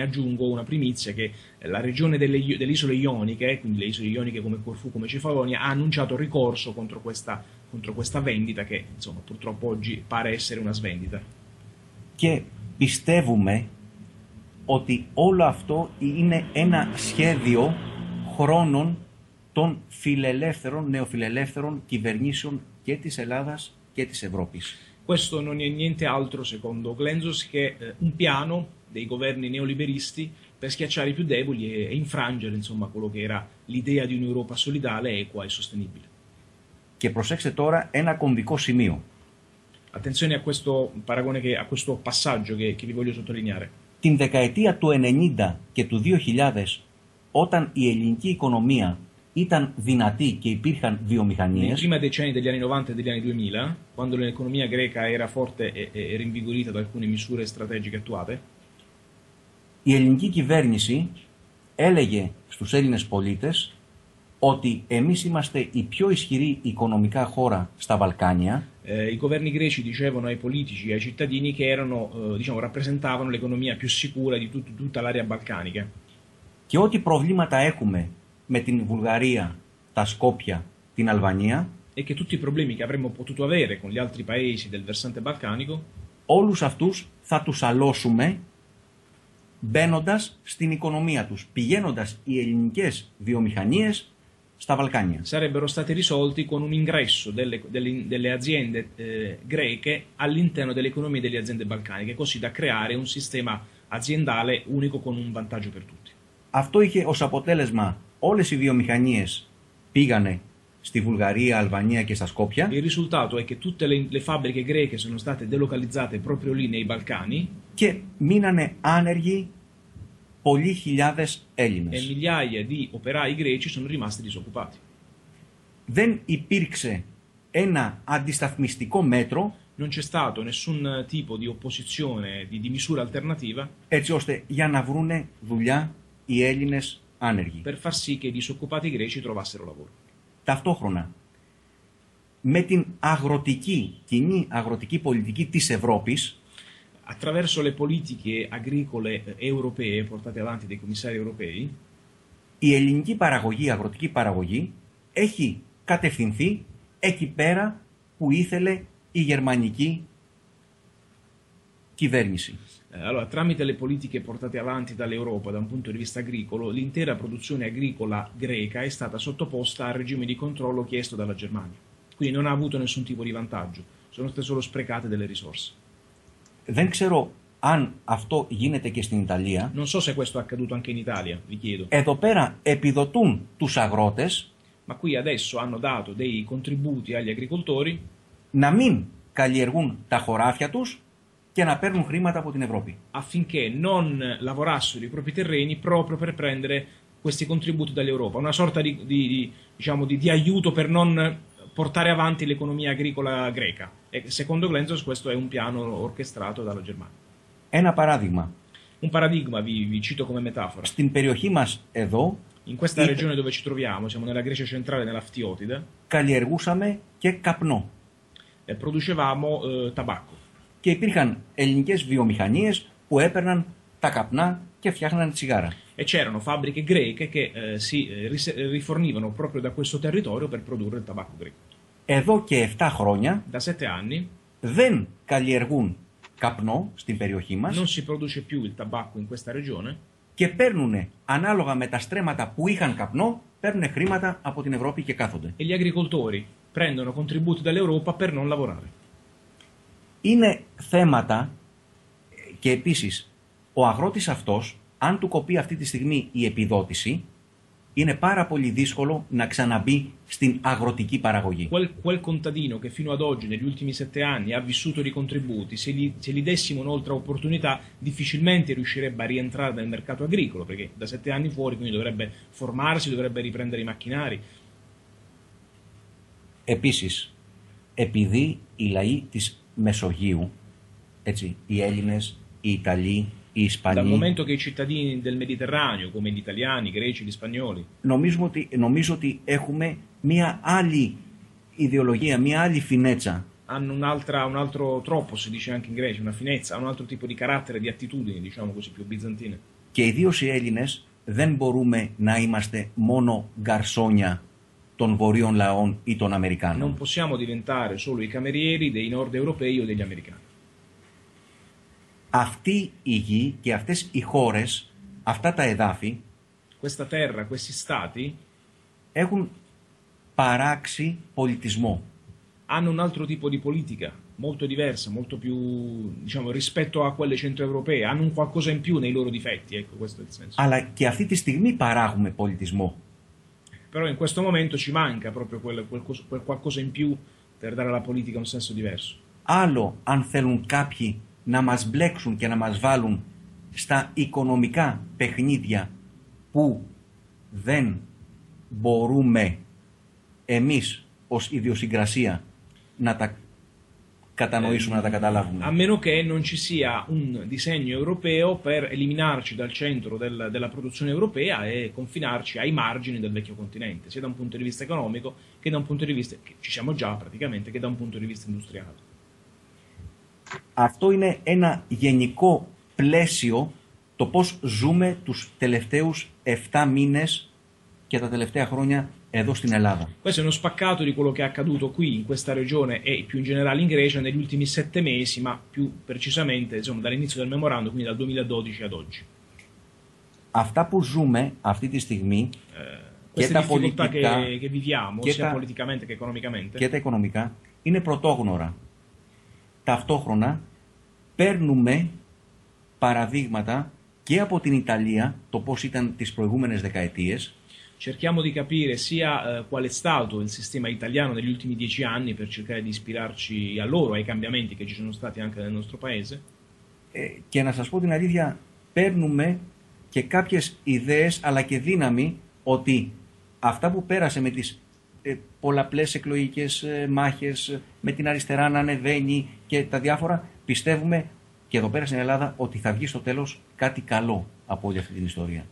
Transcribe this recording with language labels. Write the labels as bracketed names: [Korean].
[Italian] Aggiungo una primizia, che la regione delle isole ioniche, quindi le isole ioniche come Corfù, come Cefalonia, ha annunciato ricorso contro questa vendita, che insomma purtroppo oggi pare essere una svendita. [Greek] Και πιστεύουμε ότι όλο αυτό είναι ένα σχέδιο χρόνων των φιλελεύθερων, νεοφιλελεύθερων κυβερνήσεων και της Ελλάδας και της Ευρώπης. [Italian] Questo non è niente altro, secondo Glenzos, che un piano dei governi neoliberisti per schiacciare i più deboli e infrangere, insomma, quello che era l'idea di un'Europa solidale, equa e sostenibile. [Greek] Και προσέξτε τώρα ένα κομβικό σημείο. [Italian] Attenzione a questo paragone, a questo passaggio che vi voglio sottolineare. [Greek] Την δεκαετία του 90 και του 2000, όταν η ελληνική οικονομία ήταν δυνατή και υπήρχαν βιομηχανίες. [Italian] Prima decenni degli anni 90 e degli anni 2000, quando l'economia greca era forte e rinvigorita da alcune misure strategiche attuate. [Greek] Η ελληνική κυβέρνηση έλεγε στους Έλληνες πολίτες ότι εμείς είμαστε η πιο ισχυρή οικονομικά χώρα στα Βαλκάνια. [Italian] I governi greci dicevano ai politici, ai cittadini, che erano, diciamo, rappresentavano l'economia più sicura di tutta l'area balcanica. [Greek] Και ό,τι προβλήματα έχουμε με την Βουλγαρία, τα Σκόπια, την Αλβανία. [Italian] E che tutti i problemi che avremmo potuto avere con gli altri paesi del versante balcanico. [Greek] Όλους αυτούς θα τους αλώσουμε μπαίνοντας στην οικονομία τους, πηγαίνοντας οι ελληνικές βιομηχανίες στα Βαλκάνια. [Italian] Sarebbero stati risolti con un ingresso delle aziende greche all'interno dell'economia delle aziende balcaniche, così da creare un sistema aziendale unico con un vantaggio per tutti. [Greek] Αυτό είχε ως αποτέλεσμα όλες οι βιομηχανίες πήγανε στη Βουλγαρία, Αλβανία και στα Σκόπια. [Italian] Il risultato è che tutte le fabbriche greche sono state delocalizzate proprio lì nei Balcani. [Greek] Και μείνανε άνεργοι πολλοί χιλιάδες Έλληνες. [Italian] E migliaia di operai greci sono rimasti disoccupati. [Greek] Δεν υπήρξε ένα αντισταθμιστικό μέτρο. [Italian] Non c'è stato nessun tipo di opposizione, di misura alternativa. [Greek] Έτσι ώστε για να βρούνε δουλειά οι Έλληνες άνεργοι. [Italian] Per far sì che i disoccupati greci trovassero lavoro. [Greek] Ταυτόχρονα, με την αγροτική, κοινή αγροτική πολιτική της Ευρώπης, [Italian] attraverso le politiche agricole europee portate avanti dai commissari europei, [Greek] η ελληνική παραγωγή, η αγροτική παραγωγή, έχει κατευθυνθεί εκεί πέρα που ήθελε η γερμανική κυβέρνηση. [Italian] Allora, tramite le politiche portate avanti dall'Europa da un punto di vista agricolo, l'intera produzione agricola greca è stata sottoposta al regime di controllo chiesto dalla Germania. Quindi non ha avuto nessun tipo di vantaggio, sono state solo sprecate delle risorse. [Greek] Δεν ξέρω αν αυτό γίνεται και στην Ιταλία. [Italian] Non so se questo è accaduto anche in Italia, vi chiedo. [Greek] Εδώ πέρα επιδοτούν τους αγρότες. [Italian] Ma qui adesso hanno dato dei contributi agli agricoltori. [Greek] Να μην καλλιεργούν τα χωράφια τους και να παίρνουν χρήματα από την Ευρώπη. [Italian] Affinché non lavorassero i propri terreni proprio per prendere questi contributi dall'Europa. Una sorta di aiuto per non portare avanti l'economia agricola greca. E secondo Glenzos questo è un piano orchestrato dalla Germania. [Greek] Ένα παράδειγμα. [Italian] Un paradigma, vi cito come metafora. [Greek] Στην περιοχή μας εδώ, [Italian] in questa regione dove ci troviamo, siamo nella Grecia centrale, nella Ftiotida, [Greek] καλλιεργούσαμε και καπνό. [Italian] E producevamo tabacco. [Greek] Και υπήρχαν ελληνικές βιομηχανίες που έπαιρναν τα καπνά και φτιάχναν τσιγάρα. [Italian] E c'erano fabbriche greche che si rifornivano proprio da questo territorio per produrre il tabacco greco. [Greek] Εδώ και 7 χρόνια, [Italian] da 7 anni, [Greek] δεν καλλιεργούν καπνό στην περιοχή μας. [Italian] Non si produce più il tabacco in questa regione. [Greek] Και παίρνουν ανάλογα με τα στρέμματα που είχαν καπνό, παίρνουν χρήματα από την Ευρώπη και κάθονται. [Italian] E gli agricoltori prendono contributi dall'Europa per non lavorare. [Greek] Είναι θέματα και επίσης ο αγρότης αυτός, αν του κοπεί αυτή τη στιγμή η επιδότηση, είναι πάρα πολύ δύσκολο να ξαναμπεί στην αγροτική παραγωγή. [Italian] Quel contadino che fino ad oggi, negli ultimi 7 anni, ha vissuto di contributi, se gli dessimo un'altra opportunità, difficilmente riuscirebbe a rientrare nel mercato agricolo, perché da 7 anni fuori, quindi dovrebbe formarsi, dovrebbe riprendere i macchinari. [Greek] Επίσης, επειδή οι λαοί της Μεσογείου, έτσι, οι Έλληνες, οι Ιταλοί, οι Ισπανοί, [Italian] dal momento che i cittadini del Mediterraneo, come gli italiani, i greci, gli spagnoli, [Greek] νομίζω ότι έχουμε μία άλλη ιδεολογία, μία άλλη φινέτσα. [Italian] Hanno un altro τρόπο, si dice anche in Grecia, una finezza, un altro tipo di carattere, di attitudine, diciamo così, più bizantine. [Greek] Και ιδίως οι Έλληνες δεν μπορούμε να είμαστε μόνο γκαρσόνια των βορείων λαών ή των Αμερικάνων. [Italian] Non possiamo diventare solo i camerieri dei nord europei o degli americani. [Greek] Αυτή η γη και αυτές οι χώρες, αυτά τα εδάφη, [Italian] questa terra, questi stati, [Greek] έχουν παράξει πολιτισμό. [Italian] Hanno un altro tipo di politica, molto diversa, molto più, diciamo, rispetto a quelle centroeuropee. Hanno un qualcosa in più nei loro difetti, ecco, questo è il senso. [Greek] Αλλά και αυτή τη στιγμή παράγουμε πολιτισμό. [Italian] Però in questo momento ci manca proprio quel qualcosa in più per dare alla politica un senso diverso. [Greek] Άλλο αν θέλουν κάποιοι να μας μπλέξουν και να μας βάλουν στα οικονομικά παιχνίδια που δεν μπορούμε εμείς ως ιδιοσυγκρασία να τα κατανοήσουμε, να τα καταλάβουμε. [Italian] A meno che non ci sia un disegno europeo per eliminarci dal centro della produzione europea e confinarci ai margini del vecchio continente, sia da un punto di vista economico che da un punto di vista, che ci siamo già praticamente, che da un punto di vista industriale. [Greek] Αυτό είναι ένα γενικό πλαίσιο το πώς ζούμε τους τελευταίους 7 μήνες και τα τελευταία χρόνια εδώ στην Ελλάδα. [Italian] Questo è uno spaccato di quello che è accaduto qui in questa regione e più in generale in Grecia negli ultimi 7 mesi, ma più precisamente, insomma, dall'inizio del memorandum, quindi dal 2012 ad oggi. [Greek] Αυτά που ζούμε αυτή τη στιγμή, [Italian] queste difficoltà che viviamo, sia politicamente che economicamente, [Greek] και τα οικονομικά, είναι πρωτόγνωρα. Ταυτόχρονα παίρνουμε παραδείγματα και από την Ιταλία το πώς ήταν τις προηγούμενες δεκαετίες. [Italian] Cerchiamo di capire sia qual è stato il sistema italiano negli ultimi 10 anni per cercare di ispirarci a loro, ai cambiamenti che ci sono stati anche nel nostro paese. [Greek] Και να σας πω την αλήθεια, παίρνουμε και κάποιες ιδέες αλλά και δύναμη ότι αυτά που πέρασε με τις πολλαπλές εκλογικές μάχες, με την αριστερά να ανεβαίνει και τα διάφορα, πιστεύουμε και εδώ πέρα στην Ελλάδα ότι θα βγει στο τέλος κάτι καλό από όλη αυτή την ιστορία.